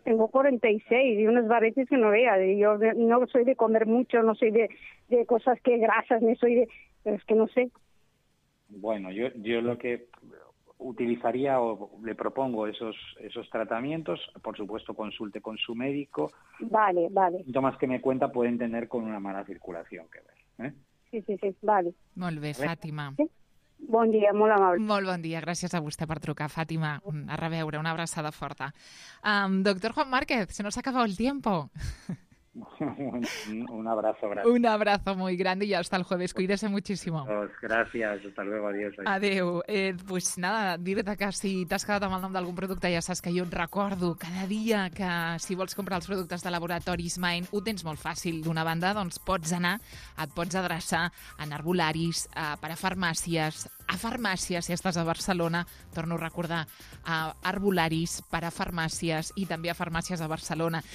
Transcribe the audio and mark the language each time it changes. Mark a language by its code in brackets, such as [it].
[es] Tengo 46 y unos varices que no vea. Yo no soy de comer mucho, no soy de cosas que grasas, ni soy de... Pero es que no sé. Bueno, yo lo que... utilizaría o le propongo esos tratamientos. Por supuesto, consulte con su médico. Vale, vale. Síntomas que me cuenta pueden tener con una mala circulación que ver. Sí, vale. [ca] Molt bé, Fàtima. Sí? Bon dia, molt amable. Molt bon dia, gràcies a vostè per trucar, Fàtima. A reveure, una abraçada forta. [es] Doctor Juan Márquez, se nos ha acabado el tiempo. Un abrazo grande. Un abrazo muy grande y hasta el jueves. Cuídese muchísimo. Gracias, hasta luego, adiós. [ca] Adéu. Pues nada, dir-te que si t'has quedat amb el nom d'algun producte, ja saps que jo et recordo cada dia que si vols comprar els productes de Laboratoris Mind, ho tens molt fàcil. D'una banda, doncs pots anar, et pots adreçar a herbolaris, per a farmàcies, a farmàcies, si estàs a Barcelona, torno a recordar, a herbolaris, per a farmàcies i també a farmàcies a Barcelona.